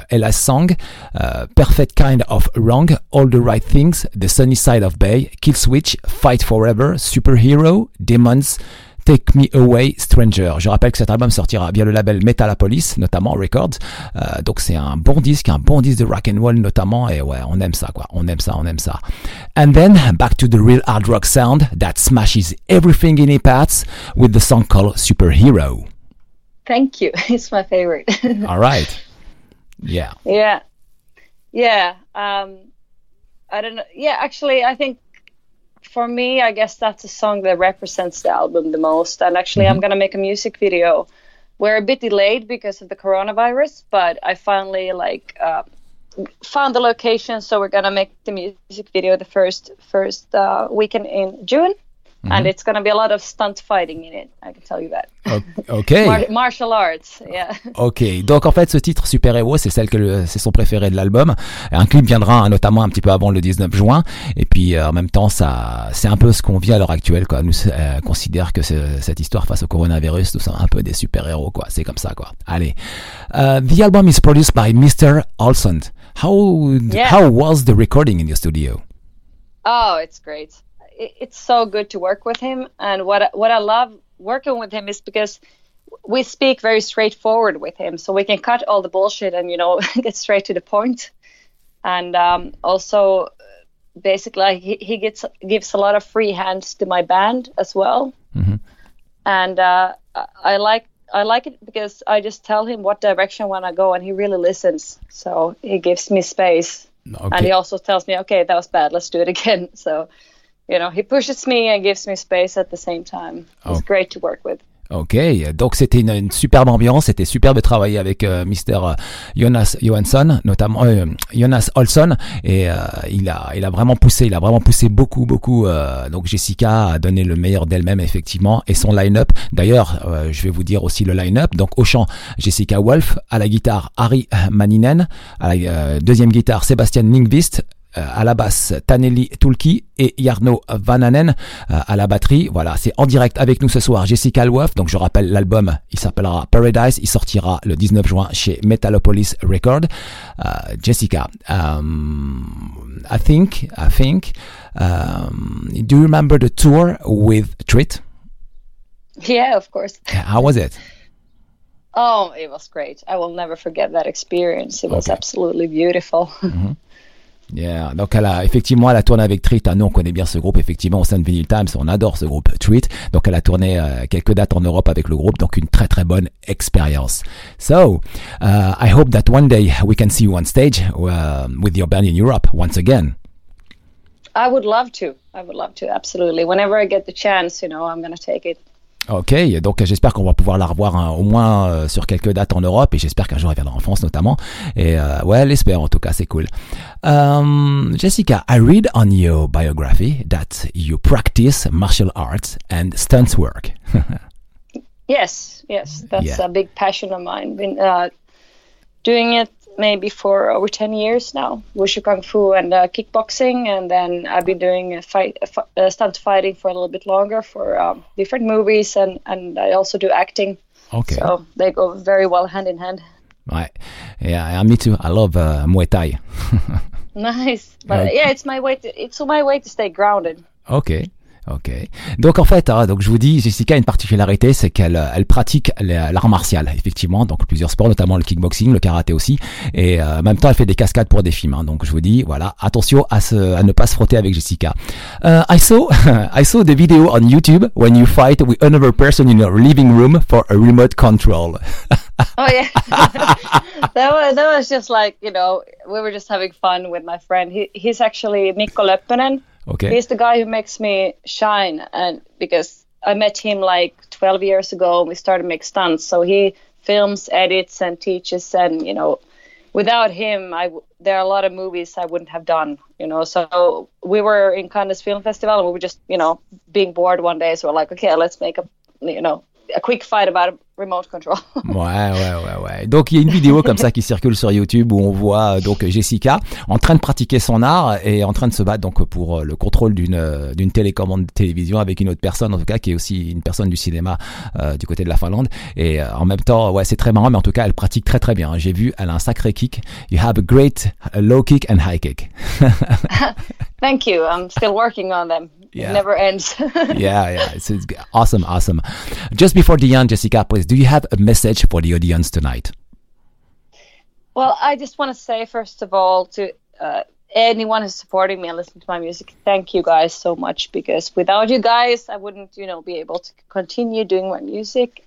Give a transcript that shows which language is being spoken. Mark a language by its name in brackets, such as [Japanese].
[English] Ella Song, Perfect Kind of Wrong, All the Right Things, The Sunny Side of Bay, Killswitch, Fight Forever, Superhero, Demons, Take Me Away, Stranger. [French] Je rappelle que cet album sortira via le label Metalapolis, notamment Records. Donc c'est un bon disque de rock'n'roll notamment. Et ouais, on aime ça quoi, on aime ça, on aime ça. [English] And then, back to the real hard rock sound that smashes everything in its path with the song called Superhero. Thank you. It's my favorite. All right. Yeah. Yeah. Yeah. I don't know. Yeah, actually, I think for me, I guess that's a song that represents the album the most. And actually, mm-hmm. I'm going to make a music video. We're a bit delayed because of the coronavirus, but I finally found the location. So we're going to make the music video the first weekend in June. Mm-hmm. And it's going to be a lot of stunt fighting in it, I can tell you that. Ok. Martial arts, yeah. [French] Ok, donc en fait ce titre Super Hero, c'est son préféré de l'album. Un clip viendra notamment un petit peu avant le 19 juin. Et puis en même temps, ça, c'est un peu ce qu'on vit à l'heure actuelle, quoi. Nous considère que cette histoire face au coronavirus, nous sommes un peu des super-héros, quoi. C'est comme ça, quoi. Allez. [English] The album is produced by Mr. Olsson. How was the recording in your studio? Oh, it's great. It's so good to work with him, and what I love working with him is because we speak very straightforward with him, so we can cut all the bullshit and, you know, get straight to the point. And also, basically, he gives a lot of free hands to my band as well. Mm-hmm. And I like it because I just tell him what direction I want to go, and he really listens. So he gives me space, okay. And he also tells me, okay, that was bad, let's do it again. So. You know, he pushes me and gives me space at the same time. It's great to work with. [French] Ok, donc c'était une superbe ambiance, c'était superbe de travailler avec Mr. Jonas Johansson, notamment Jonas Olsson, et il a vraiment poussé beaucoup, beaucoup, donc Jessica a donné le meilleur d'elle-même effectivement, et son line-up, d'ailleurs je vais vous dire aussi le line-up, donc au chant Jessica Wolf, à la guitare Harry Manninen, à la deuxième guitare Sébastien Lindqvist, à la basse Taneli Tulki et Jarno Vananen à la batterie. Voilà, c'est en direct avec nous ce soir Jessica Wolf. Donc je rappelle l'album, il s'appellera Paradise, il sortira le 19 juin chez Metalopolis Records. [English] Jessica, I think do you remember the tour with Treat? Yeah, of course. How was it? Oh, it was great. I will never forget that experience. It was absolutely beautiful. Mm-hmm. [French] Yeah, donc elle a tourné avec Treat. Nous, on connaît bien ce groupe, effectivement, au sein de Vinyl Times. On adore ce groupe Treat. Donc, elle a tourné quelques dates en Europe avec le groupe. Donc, une très, très bonne expérience. [English] So, I hope that one day we can see you on stage with your band in Europe once again. I would love to. I would love to, absolutely. Whenever I get the chance, you know, I'm going to take it. [French] Ok, donc j'espère qu'on va pouvoir la revoir au moins sur quelques dates en Europe, et j'espère qu'un jour elle viendra en France notamment, et ouais, l'espère en tout cas, c'est cool. [English] Jessica, I read on your biography that you practice martial arts and stunts work. yes, that's a big passion of mine. Been doing it maybe for over 10 years now, Wushu Kung Fu and kickboxing, and then I've been doing stunt fighting for a little bit longer for different movies, and I also do acting. Okay. So they go very well hand in hand. Right. Yeah, me too. I love Muay Thai. Nice. But yeah, it's my way to stay grounded. Okay. Ok. [French] Donc en fait, donc je vous dis, Jessica a une particularité, c'est qu'elle pratique l'art martial, effectivement, donc plusieurs sports, notamment le kickboxing, le karaté aussi, et en même temps elle fait des cascades pour des films. Hein, donc je vous dis, voilà, attention à ne pas se frotter avec Jessica. [English] I saw the video on YouTube when you fight with another person in a living room for a remote control. Oh yeah, that was just like, you know, we were just having fun with my friend. He's actually Mikko Leppänen. Okay. He's the guy who makes me shine, and because I met him like 12 years ago, we started making stunts. So he films, edits, and teaches. And you know, without him, there are a lot of movies I wouldn't have done. You know, so we were in Cannes Film Festival, and we were just, you know, being bored one day, so we're like, okay, let's make a quick fight about remote control. [French] Ouais. Donc il y a une vidéo comme ça qui circule sur YouTube où on voit donc Jessica en train de pratiquer son art et en train de se battre donc pour le contrôle d'une télécommande de télévision avec une autre personne, en tout cas qui est aussi une personne du cinéma du côté de la Finlande. Et en même temps, ouais, c'est très marrant, mais en tout cas elle pratique très très bien. J'ai vu, elle a un sacré kick. [English] You have a great low kick and high kick. Thank you. I'm still working on them. Yeah. It never ends. Yeah. It's awesome. Just before the end, Jessica, please, do you have a message for the audience tonight? Well, I just want to say, first of all, to anyone who's supporting me and listening to my music, thank you guys so much, because without you guys, I wouldn't, you know, be able to continue doing my music.